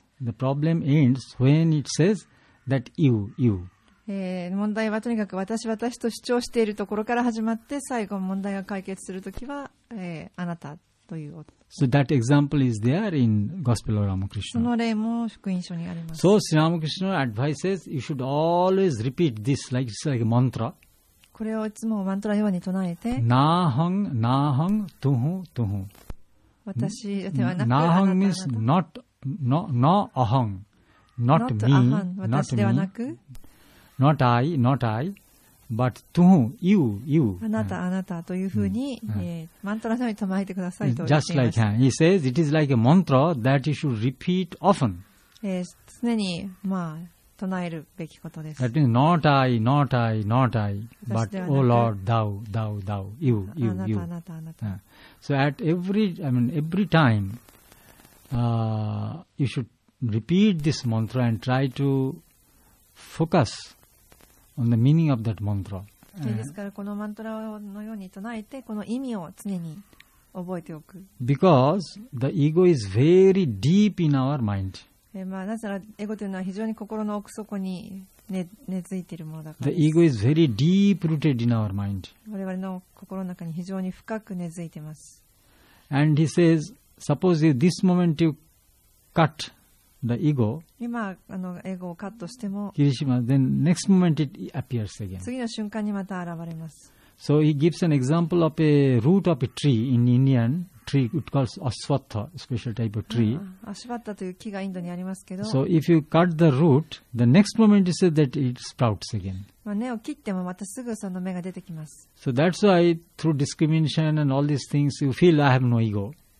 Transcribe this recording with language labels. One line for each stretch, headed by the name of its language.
English: The problem ends when it says,That you.
Japanese: 問題はとにかく私、私と主張しているところから始まって、最後問題が解決するときは、あなたという音。
English: So that example is there in Gospel of Ramakrishna.
Japanese: その例も福音書にあります。
English: So Sri Ramakrishna advises you should always repeat this like it's like a mantra.
Japanese: これをいつもマントラのように唱えて。
Sanskrit: Naham, naham, tuhu, tuhu.
Japanese: 私ではなく、
English: naham means not, no, no, aham. Not me, not me, not I, not I, but tuhu, you.
Japanese: あなた、あなたというふうに、マントラのように唱えてくださいと言っています。
English: Just like him. He says, it is like a mantra that you should repeat often.
Japanese: 常に、唱えるべきことです。
English: That means, not I, not I, not I, but, oh Lord, thou, thou, thou, you, you, you.
Japanese: あなた、あなた、あなた。
English: So at every, I mean, every time, you should,Repeat this mantra and try to focus on the meaning of that mantra.
Japanese: ですから、このマントラのように唱えて、この意味を常に覚えておく。
English: Because the ego is very deep in our mind.
Japanese: なぜなら、エゴというのは非常に心の奥底に根付いているものだから。
English: The ego is very deep rooted in our mind.
Japanese: 我々の心の中に非常に深く根付いています。
English: And he says, suppose this moment you cut. The ego,
Japanese: 今エゴをカットしても、
English: キリシマ、then next moment it appears again.
Japanese: 次の瞬間にまた現れます。
English: So he gives an example of a root of a tree in Indian tree. It calls aswattha, special type of tree.
Japanese: アシュバッタという木がインドにありますけど。
English: So if you cut the root, the next moment you say that it sprouts again.
Japanese: 根を切ってもまたすぐその芽が出てきます。
English: So that's why through discrimination and all these things, you feel I have no ego.